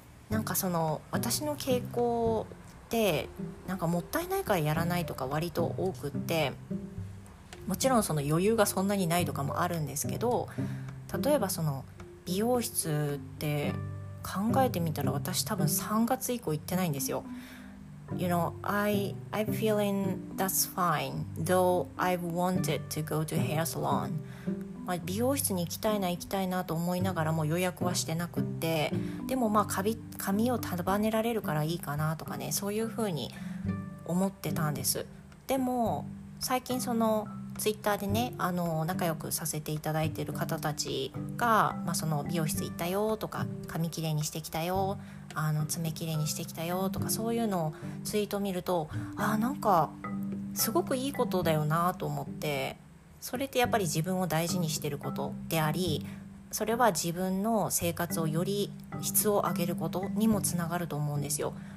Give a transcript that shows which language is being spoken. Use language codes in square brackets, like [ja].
[ja] なんかその私の傾向ってなんかもったいないからやらないとか割と多くって、もちろんその余裕がそんなにないとかもあるんですけど、例えばその美容室って考えてみたら私多分3月以降行ってないんですよ [en] You know, I'm feeling that's fine though I've wanted to go to hair salon、 [ja] まあ、美容室に行きたいなと思いながらも予約はしてなくってでもまあ髪を束ねられるからいいかなとかねそういうふうに思ってたんですでも最近そのツイッターでねあの仲良くさせていただいている方たちが、まあ、その美容室行ったよとか髪きれいにしてきたよあの爪きれいにしてきたよとかそういうのをツイート見るとあなんかすごくいいことだよなと思ってそれってやっぱり自分を大事にしてることでありそれは自分の生活をより質を上げることにもつながると思うんですよ